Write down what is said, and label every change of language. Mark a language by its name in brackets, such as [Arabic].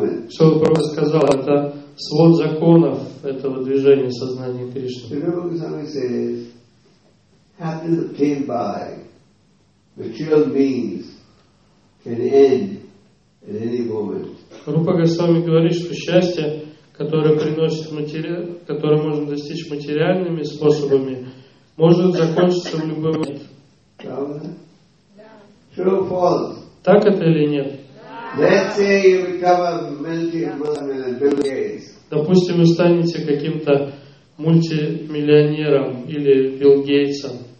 [Russian] Шрила Прабхупада сказал, это свод законов этого движения сознания Кришны. [English] Happiness came by material means can end at any moment. [Russian] Рупа Госвами говорит, что счастье, которое приносит материал, которое можно достичь материальными способами, может закончиться в любой момент. [English] True or false? [Russian] Так это или нет? [English] Let's say you become a multi-millionaire Bill Gates. [Russian] Допустим, вы станете каким-то мультимиллионером или Билл Гейтсом.